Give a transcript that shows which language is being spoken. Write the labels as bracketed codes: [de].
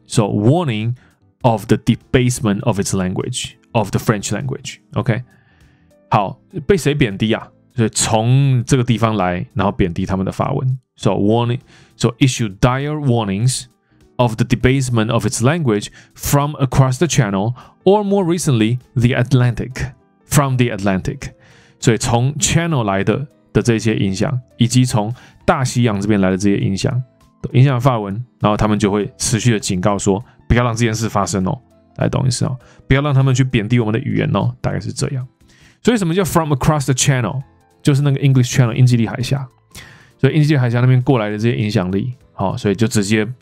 [en] So warning of the debasement of its language of the French language。 [zh] OK， 好，被谁贬低啊？所以从这个地方来，然后贬低他们的法文。 [en] So warning， so issue dire warnings。 Of the debasement of its language from across the channel, or more recently, the Atlantic, from the Atlantic. [zh] 所以从 channel 来的这些影响，以及从大西洋这边来的这些影响，影响法文，然后他们就会持续的警告说，不要让这件事发生哦，大家懂意思哦，不要让他们去贬低我们的语言哦，大概是这样。所以什么叫 [en] from across the channel？ [zh] 就是那个 English Channel 英吉利海峡，所以英吉利海峡那边过来的这些影响力，好，所以就直接。